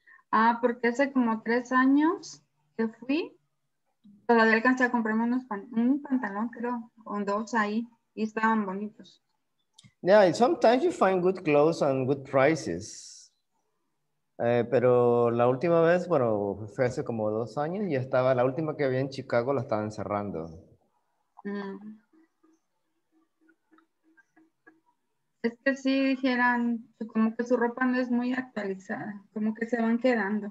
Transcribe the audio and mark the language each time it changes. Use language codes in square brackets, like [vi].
[es] Ah, porque hace como 3 años que fui, todavía alcancé a comprarme un pantalón, creo, con 2 ahí, y estaban bonitos. [en] Yeah, sometimes you find good clothes and good prices. [es] Pero la última vez, bueno, fue hace como 2 años, y estaba, la última que había en Chicago, la estaban cerrando. Es que sí, dijeran, como que su ropa no es muy actualizada, como que se van quedando.